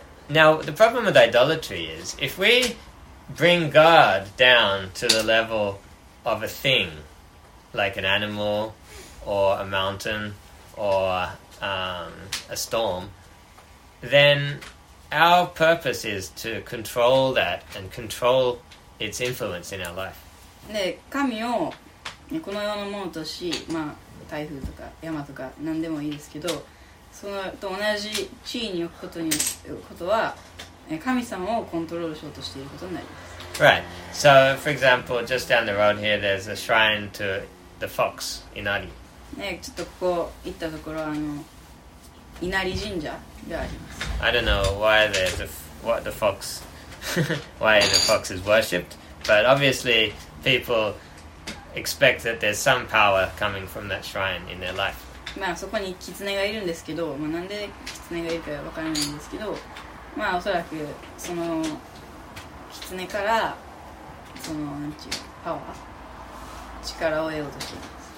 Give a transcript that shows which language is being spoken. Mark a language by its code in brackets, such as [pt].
[en] Now, the problem with idolatry is, if we bring God down to the level of a thing, like an animal, or a mountain, or a storm, then our purpose is to control that and control its influence in our life. [ja] で、神をこのようなものとし、まあ、台風とか山とか何でもいいですけど、そのと同じ地位に置くことに、ことは、神様をコントロールしようとしていることになります。 [en] Right. So, for example, just down the road here, there's a shrine to the fox, Inari. [ja] ね、ちょっとここ行ったところ、あの、稲荷神社があります。 [en] I don't know why there's a, what the fox, why the fox is worshipped, but obviously people expect that there's some power coming from that shrine in their life. [ja] まあそこに狐がいるんですけど、まあなんで狐がいるかわからないんですけど、まあおそらくその狐からそのなんていうパワー、力を得ようとしています。